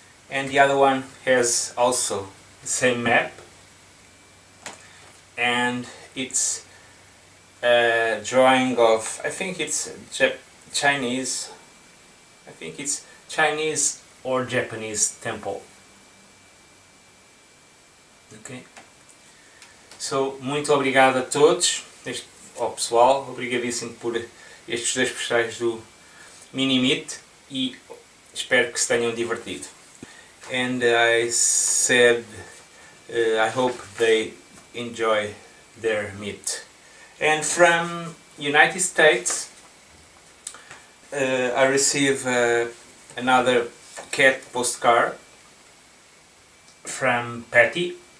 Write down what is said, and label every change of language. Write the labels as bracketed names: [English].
[English] And the other one has also the same map, and it's a drawing of, I think it's Chinese or Japanese temple. Okay. [Portuguese] So, muito obrigado a todos, ao pessoal, obrigadíssimo por estes dois postais do Mini Meet, e espero que se tenham divertido. [English] And I said, I hope they enjoy their meat. And from United States, I receive another cat postcard from Patty.